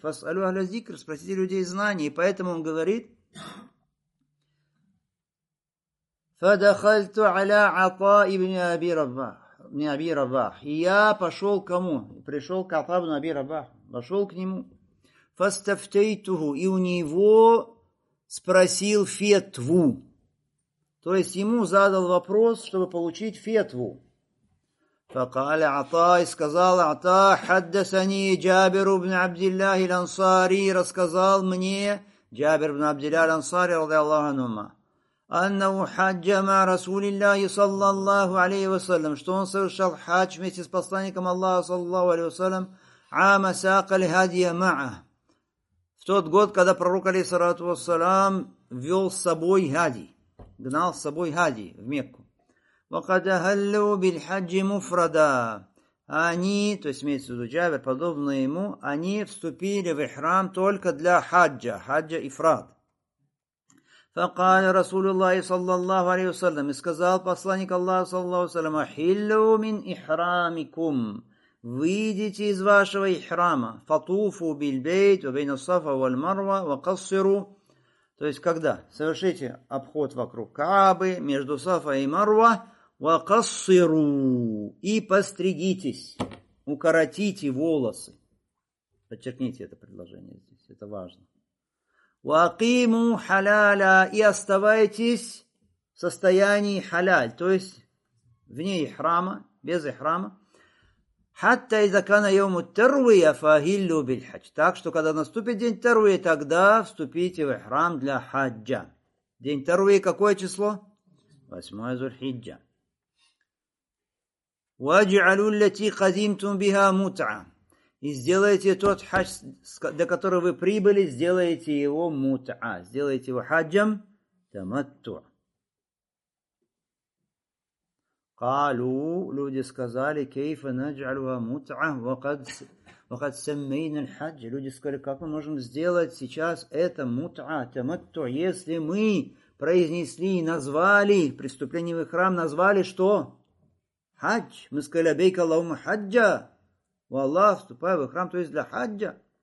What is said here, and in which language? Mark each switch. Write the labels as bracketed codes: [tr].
[ar] Фас'алю ахля зикр, [ru] спросите людей знаний. И поэтому он говорит: [ar] فَدَخَلْتُ عَلَىٰ عَطَاءِ بْنِ أَبِي رَبَّحِ. [ru] И я пошел к кому? Пришел к Ата ибн Аби Раббах. Вошел к нему. [ar] فَاسْتَفْتَيْتُهُ. [ru] И у него спросил фетву. То есть ему задал вопрос, чтобы получить фетву. [ar] فَقَالَ عَطَاءِ. [ru] Сказал Ата: [ar] حَدَّثَنِي جَابِرُ بْنِ عَبْدِ اللَّهِ الْأَنصَارِ. [ru] Рассказал мне [ar] جابر بن عبد الله الأنصاري رضي الله عنهما أنه حج مع رسول الله صلى الله عليه وسلم. [ru] Что он совершал хадж вместе с посланником Аллаха صلى الله عليه وسلم. [ar] عام ساق الهدي معه. [ru] В тот год, когда пророк عليه الصلاة والسلام вел с собой хади, гнал с собой хади в Мекку. [ar] وقد أهلوا بالحج مفردا. [ru] Они, то есть имеется в виду Джабир, подобно ему, они вступили в ихрам только для хаджа, хаджа ифрад. [ar] فقال رسول الله صلى الله عليه وسلم. [ru] И сказал посланник Аллаха [ar] صلى الله عليه وسلم: حلوا من إحرامكم. [ru] Выйдите из вашего ихрама. [ar] فطوفوا بالبيت وبين الصفا والمروة وقصروا. [ru] То есть когда? Совершите обход вокруг Каабы, между Сафа и Марва. [ar] وقصروا. [ru] И постригитесь, укоротите волосы. Подчеркните это предложение здесь, это важно. [ar] وقيموا حلالا. [ru] И оставайтесь в состоянии халяль, то есть вне ихрама, без ихрама. [ar] حتى إذا كان يوم التروية فهلوا بالحج. [ru] Так что когда наступит день Тарвия, тогда вступите в ихрам для хаджа. День Тарвия какое число? 8 Зульхиджа. [ar] وَاجْعَلُوا الَّتِي قَدِمْتُمْ بِهَا مُتْعَ. [ru] И сделайте тот хадж, до которого вы прибыли, сделайте его мута. Сделайте его хаджем таматту. [ar] قَالُوا. [ru] Люди сказали: [ar] كَيْفَ نَجْعَلُهَا مُتْعَ وَقَدْ سَمَّيْنَ الْحَجَّ. [ru] Люди сказали: как мы можем сделать сейчас это мута, таматту, если мы произнесли и назвали при вступлении в храм, назвали что? Хадж. Мы сказали: [ar] абейк Аллахума хаджа. [ru] У Аллах, вступай в храм, то есть для хаджа.